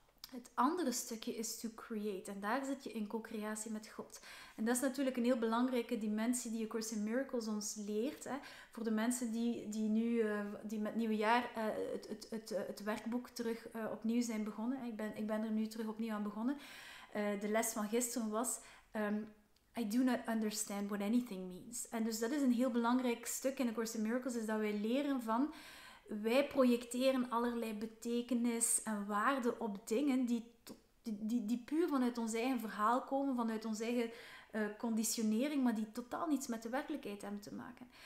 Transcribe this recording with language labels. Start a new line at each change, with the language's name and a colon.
Dutch: Het andere stukje is to create. En daar zit je in co-creatie met God. En dat is natuurlijk een heel belangrijke dimensie die A Course in Miracles ons leert. Hè. Voor de mensen die nu die met nieuwjaar het werkboek terug opnieuw zijn begonnen. Ik ben er nu terug opnieuw aan begonnen.
English: De les van gisteren was I do not understand what anything means.
Dutch: En dus dat is een heel belangrijk stuk in A Course in Miracles. Is dat wij leren van, wij projecteren allerlei betekenis en waarde op dingen die puur vanuit ons eigen verhaal komen, vanuit onze eigen conditionering, maar die totaal niets met de werkelijkheid hebben te maken.